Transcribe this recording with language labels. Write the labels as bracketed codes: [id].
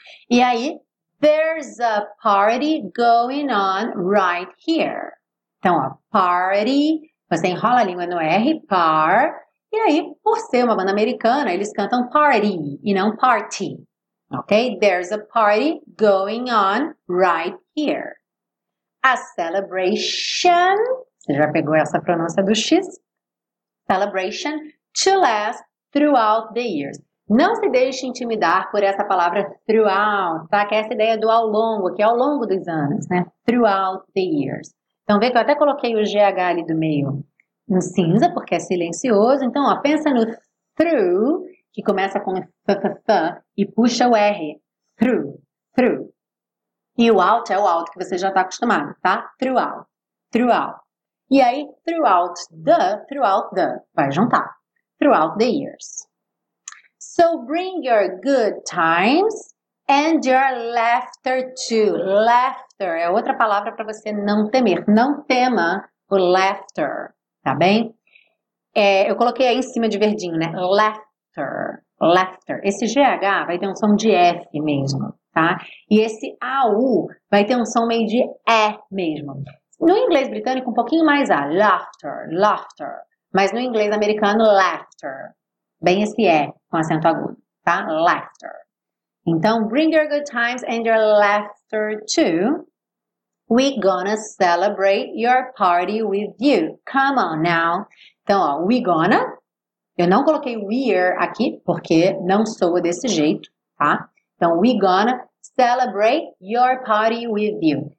[pt] E aí, [en] there's a party going on right here. [pt] Então, ó, party. Você enrola a língua no R, par. E aí, por ser uma banda americana, eles cantam party e não party. Ok? [en] There's a party going on right here. A celebration. [pt] Você já pegou essa pronúncia do X? [en] Celebration to last throughout the years. [pt] Não se deixe intimidar por essa palavra throughout, tá? Que é essa ideia do ao longo, que é ao longo dos anos, né? [en] Throughout the years. [pt] Então, vê que eu até coloquei o GH ali do meio no cinza, porque é silencioso. Então, ó, pensa no through, que começa com th, e puxa o R. Through, through. E o out é o out que você já está acostumado, tá? [en] Throughout, throughout. [pt] E aí, [en] throughout the, [pt] vai juntar. [en] Throughout the years. So, bring your good times and your laughter too. [pt] Laughter é outra palavra para você não temer. Não tema o laughter, tá bem? É, eu coloquei aí em cima de verdinho, né? Laughter, laughter. Esse GH vai ter um som de F mesmo, tá? E esse AU vai ter um som meio de E mesmo. No inglês britânico, um pouquinho mais A. Laughter, laughter. Mas no inglês americano, laughter. Bem esse E com acento agudo, tá? Laughter. Então, [en] bring your good times and your laughter too. We gonna celebrate your party with you. Come on now. [pt] Então, ó, [en] we gonna. [pt] Eu não coloquei we're aqui porque não soa desse jeito, tá? Então, [en] we gonna celebrate your party with you.